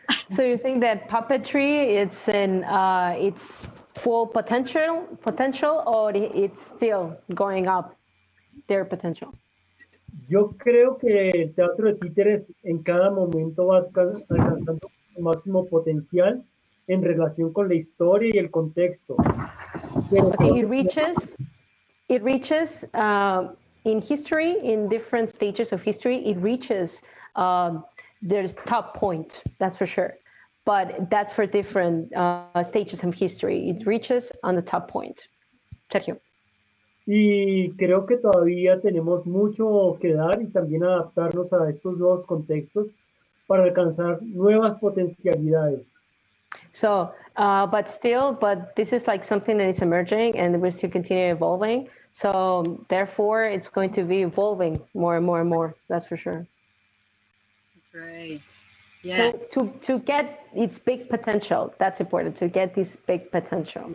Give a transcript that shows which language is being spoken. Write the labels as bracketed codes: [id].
[en] So you think that puppetry it's in its full potential or it's still going up their potential? [es] Yo creo que el teatro de títeres en cada momento va alcanzando su máximo potencial en relación con la historia y el contexto. [en] Okay, it reaches in history, in different stages of history, it reaches their top point, that's for sure. But that's for different stages of history. It reaches on the top point. Sergio. [es] Y creo que todavía tenemos mucho que dar y también adaptarnos a estos nuevos contextos para alcanzar nuevas potencialidades. [en] So, but this is like something that is emerging and we still continue evolving. So, therefore, it's going to be evolving more and more and more, that's for sure. Great. Yes. To get its big potential, that's important, to get this big potential.